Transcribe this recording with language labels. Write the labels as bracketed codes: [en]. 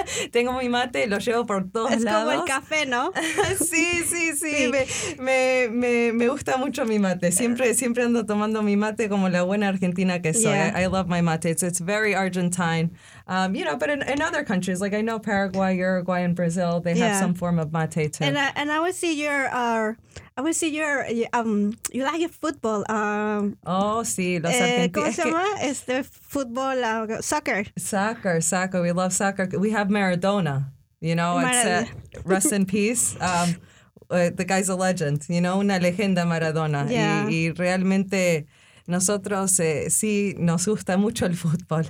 [es] Tengo mi mate y lo llevo por todos es lados. Es como el café, ¿no? Sí. Me gusta mucho mi mate. Siempre ando tomando mi mate como la buena argentina que soy. [en] Yeah. I love my mate. It's very Argentine. You know, but in other countries, like I know Paraguay, Uruguay, and Brazil, they have some form of mate too. And I would see your... you like football. [es] Sí, los argentinos. ¿Cómo se llama? Football, soccer. [en] Soccer. We love soccer. We have Maradona, you know, rest in peace. The guy's a legend, you know, [es] una leyenda [en] Maradona. Yeah. [es] Y realmente nosotros sí nos gusta mucho el fútbol.